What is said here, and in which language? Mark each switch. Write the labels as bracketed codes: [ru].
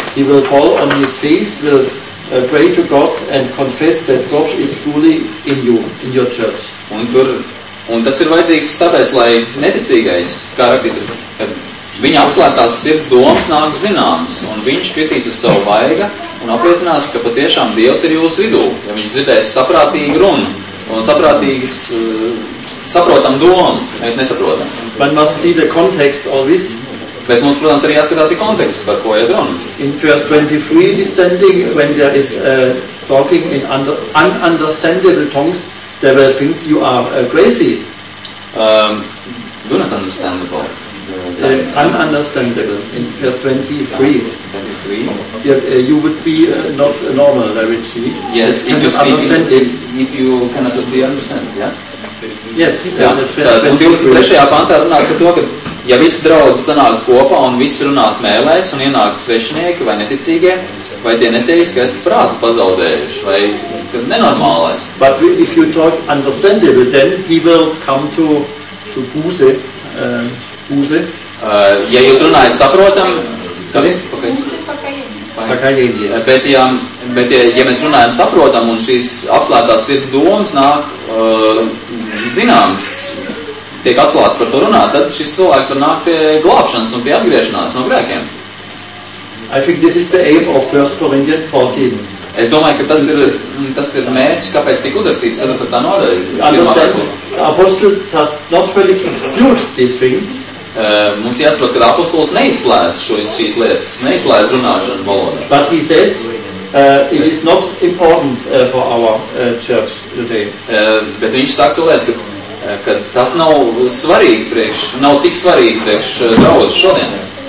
[en] He will fall on his face, will pray to God and confess that God is truly in you, in your church. [lv] Un tur, un tas ir vajadzīgs tāpēc, lai neticīgais, kā rakstīts, kad viņa apslēgtās sirds domas nāk zināmas, un viņš kritīs uz savu vaiga un apliecinās, ka patiešām Dievs ir jūsu vidū, ja viņš dzirdēs saprātīgu runu un saprātīgas, saprotam domu, mēs nesaprotam. [en] But must see the context always. [lv] Bet mums, protams, arī jāskatās ir konteksts, par ko iet runa. [en] In verse 23, distending, when there is talking in ununderstandable tongues, they will think you are crazy. Do not understandable. Ununderstandable. In verse 23. You would be not normal, I would see. Yes, if you speak, if you cannot be understand, Yes, yeah. [lv] Un 23. Pantā runās par to, ka ja visi draudzi sanāk kopā un visi runāt mēlēs un ienāk svešinieki vai neticīgie, vai tie neteiks, ka esat prātu pazaudējuši, vai kas nenormālais. [en] But if you talk understandable, then he will come to Buse. [lv] Ja jūs runājat saprotam, kas? Bet ja mēs runājam saprotam un šīs apslēgtās sirds domas nāk zināms, tiek atklāts par to runāt, tad šis cilvēks var nākt pie glābšanas un pie atgriešanās no grēkiem. [en] I think this is the aim of 1 Corinthians 14. [lv] Es domāju, ka tas ir mērķis, kāpēc tika uzrakstīts 14. Nodaļā. [en] Apostle does not really exclude these things. [lv] Mums jāsaprot, ka apostols neizslēdz šīs lietas, neizslēdz runāšanu valodā. [en] But he says, it is not important for our church today. [lv] Bet viņš saka to lietu, ka tas nav svarīgi priekš, nav tik svarīgi priekš draudz šodien.